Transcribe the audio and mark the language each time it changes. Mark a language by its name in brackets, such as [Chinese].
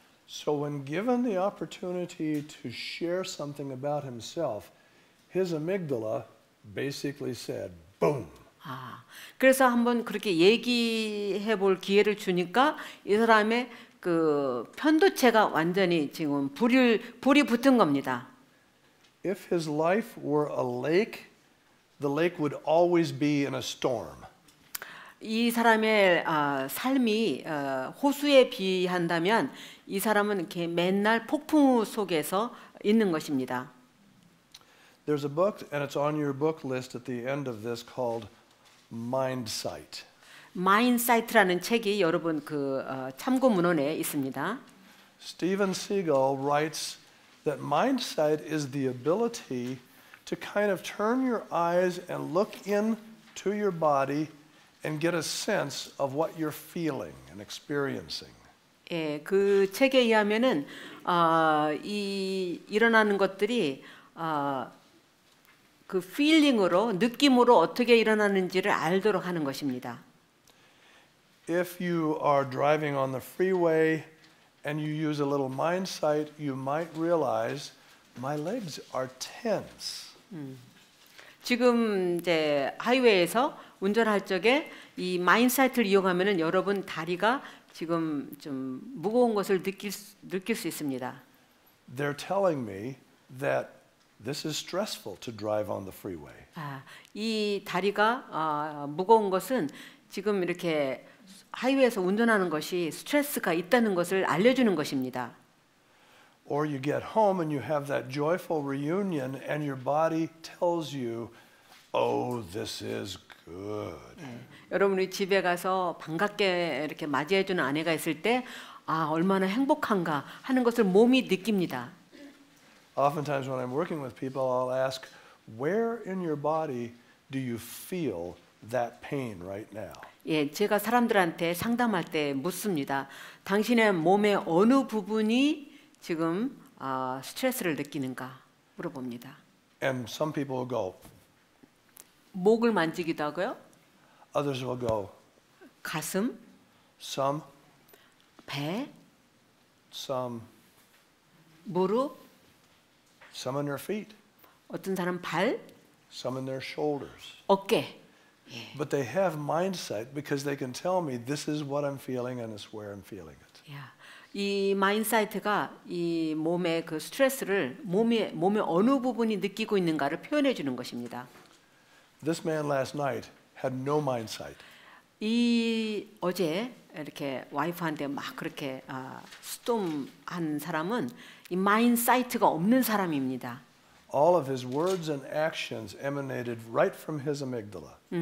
[English] So when given the opportunity to share something about himself, his amygdala basically said, boom! [Korean] 아, 그래서 한번 그렇게 얘기해 볼 기회를 주니까 이 사람의 그 편도체가 완전히 지금 불이 붙은 겁니다. [English] If his life were a lake, the lake would always be in a storm. [Korean] 이 사람의 삶이 호수에 비한다면 이 사람은 이렇게 맨날 폭풍 속에서 있는 것입니다. [English] There's a book and it's on your book list at the end of this called Mindsight. [Korean] Mindsight라는 책이 여러분 그 참고 문헌에 있습니다. [English] Steven Seagal writes that mindsight is the ability to kind of turn your eyes and look into your body and get a sense of what you're feeling and experiencing. [Korean] 예, 그 책에 의하면은 이 일어나는 것들이 그 feeling으로 느낌으로 어떻게 일어나는지를 알도록 하는 것입니다. [English] If you are driving on the freeway and you use a little mind sight, you might realize my legs are tense. [Korean] 지금 이제 하이웨이에서 운전할 적에 이 mind sight를 이용하면은 여러분 다리가 지금 좀 무거운 것을 느낄 수 있습니다. [English] They're telling me that this is stressful to drive on the freeway. [Korean] 아, 이 다리가 무거운 것은 지금 이렇게 하이웨이에서 운전하는 것이 스트레스가 있다는 것을 알려주는 것입니다. [English] Or you get home and you have that joyful reunion and your body tells you, oh, this is good. [Korean] 여러분이 집에 가서 반갑게 이렇게 맞이해주는 아내가 있을 때, 아, 얼마나 행복한가 하는 것을 몸이 느낍니다. [English] Oftentimes when I'm working with people, I'll ask, where in your body do you feel that pain right now? [Korean] 예, 제가 사람들한테 상담할 때 묻습니다. 당신의 몸의 어느 부분이 지금 스트레스를 느끼는가 물어봅니다. [English] And some people will go. [Korean] 목을 만지기도 하고요. [English] Others will go. [Korean] 가슴. [English] Some. [Korean] 배. [English] Some. [Korean] 무릎. [English] Some in their feet. [Korean] 어떤 사람 발. [English] Some in their shoulders. [Korean] 어깨. [English] But they have mindset because they can tell me this is what I'm feeling and it's where I'm feeling it. Yeah. [Korean] 이 마인드사이트가 이 몸의 그 스트레스를 몸의 어느 부분이 느끼고 있는가를 표현해 주는 것입니다. [English] This man last night had no mindset. [Korean] 이 어제 이렇게 와이프한테 막 그렇게 스톰한 사람은 이 마인드사이트가 없는 사람입니다. [English] All of his words and actions emanated right from his amygdala.